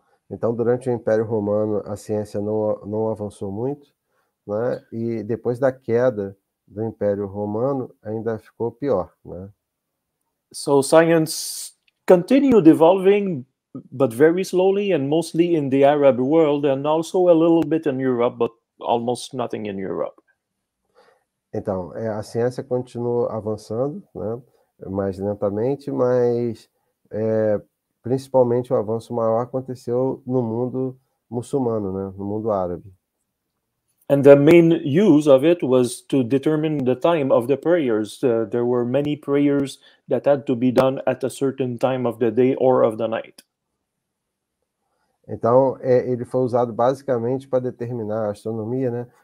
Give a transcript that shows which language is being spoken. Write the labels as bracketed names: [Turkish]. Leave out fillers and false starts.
[Portuguese] Então, durante o Império Romano, a ciência não avançou muito, né? E depois da queda do Império Romano, ainda ficou pior, né? [English] So science continued evolving, but very slowly, and mostly in the Arab world, and also a little bit in Europe, but almost nothing in Europe. [Portuguese] Então, a ciência continuou avançando, né? Mais lentamente, mas principalmente o avanço maior aconteceu no mundo muçulmano, né? No mundo árabe. [English] And the main use of it was to determine the time of the prayers. There were many prayers that had to be done at a certain time of the day or of the night. [Portuguese] Então, ele foi usado basicamente para determinar a astronomia, né?